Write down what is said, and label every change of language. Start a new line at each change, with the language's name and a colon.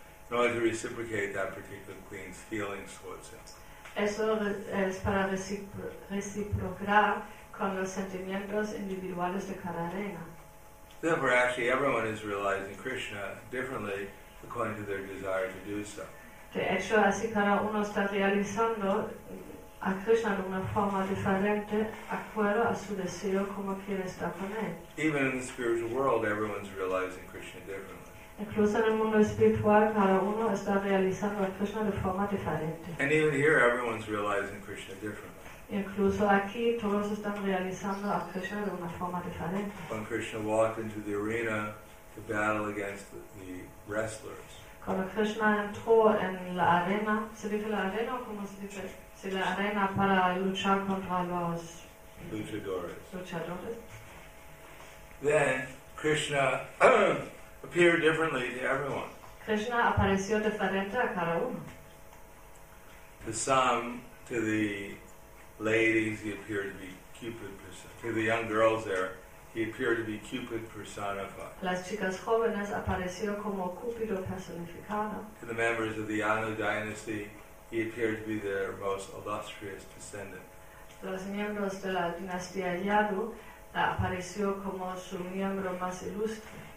English: In order to reciprocate that particular queen's feelings towards him.
Spanish: Eso es para reciprocar con los sentimientos individuales de cada reina.
English: Therefore, actually, everyone is realizing Krishna differently according to their desire to do so.
Spanish: De hecho, así cada uno está realizando a Krishna de una forma diferente, acuerdo a su deseo como quiere estar con él.
English: Even in the spiritual world, everyone's realizing Krishna differently.
Spanish: Incluso en el mundo espiritual, cada uno está realizando a Krishna de forma diferente.
English: And even here, everyone's realizing Krishna differently.
Spanish: Incluso aquí, todos están realizando a Krishna de una forma diferente.
English: When Krishna walked into the arena to battle against the wrestlers.
Spanish: Cuando Krishna entró en la arena, ¿se dice la arena o cómo se dice? Si la arena para luchar contra los luchadores.
English: Then, Krishna appeared differently to everyone.
Spanish: Krishna apareció diferente a cada uno.
English: To some, to the ladies, he appeared to be Cupid. To the young girls there, he appeared to be Cupid personified.
Spanish: Las chicas jóvenes apareció como Cupido personificado.
English: To the members of the Anu dynasty, he appeared to be their most illustrious descendant.
Spanish: Los miembros de la dinastía Yadu apareció como su miembro más ilustre.